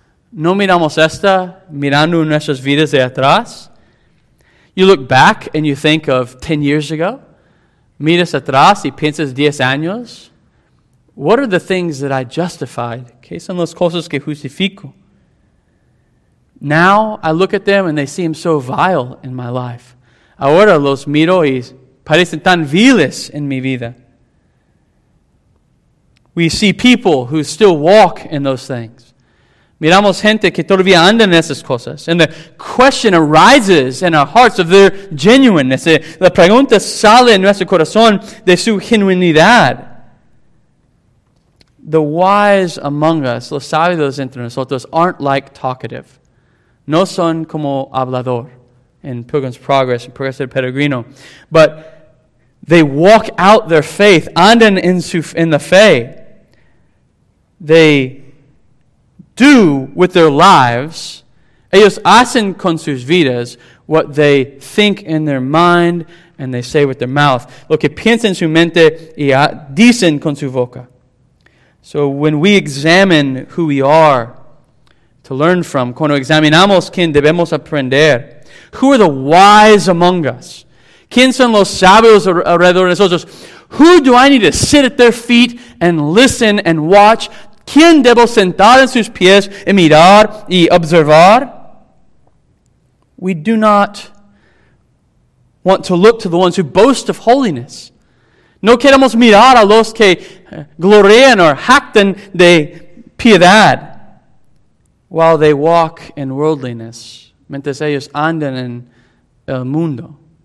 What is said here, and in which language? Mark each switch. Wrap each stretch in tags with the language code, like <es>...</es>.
<es>No miramos esta mirando nuestras vidas de atrás.</es> <en>You look back and you think of 10 years ago.</en> <es>Miras atrás y piensas 10 años.</es> <en>What are the things that I justified?</en> <es>¿Qué son las cosas que justifico?</es> <en>Now I look at them and they seem so vile in my life.</en> <es>Ahora los miro y parecen tan viles en mi vida.</es> <en>We see people who still walk in those things.</en> <es>Miramos gente que todavía anda en esas cosas.</es> <en>And the question arises in our hearts of their genuineness.</en> <es>La pregunta sale en nuestro corazón de su genuinidad.</es> <en>The wise among us,</en> <es>los sabios entre nosotros,</es> <en>aren't like talkative.</en> <es>No son como hablador in Pilgrim's Progress, in Progreso del Peregrino.</es> <en>But they walk out their faith,</en> <es>andan</es> <en>in the fe. They do with their lives,</en> <es>ellos hacen con sus vidas</es> <en>what they think in their mind and they say with their mouth.</en> <es>Lo que piensa en su mente y dicen con su boca.</es> <en>So when we examine who we are to learn from,</en> <es>cuando examinamos quién debemos aprender,</es> <en>who are the wise among us?</en> <es>¿Quién son los sabios alrededor de nosotros?</es> <en>Who do I need to sit at their feet and listen and watch?</en> <es>¿Quién debo sentar en sus pies y mirar y observar?</es> <en>We do not want to look to the ones who boast of holiness.</en> <es>No queremos mirar a los que glorían o jactan de piedad</es> <en>while they walk in worldliness,</en> <es>mientras ellos andan en el mundo.</es>